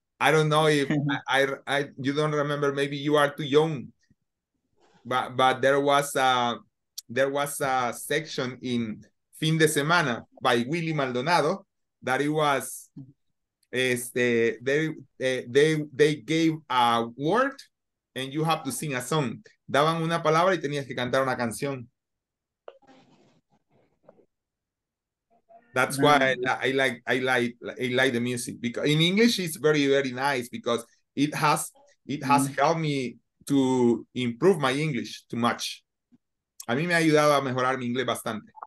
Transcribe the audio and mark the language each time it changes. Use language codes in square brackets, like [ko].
[en] I don't know if I you don't remember. Maybe you are too young. But there was a section in Fin de Semana by Willy Maldonado that it was they gave a word. And you have to sing a song. [es] Daban una palabra y tenías que cantar una canción. [en] That's why I like the music, because in English it's very, very nice, because it has helped me to improve my English too much. [es] A mí me ha ayudado a mejorar mi inglés bastante.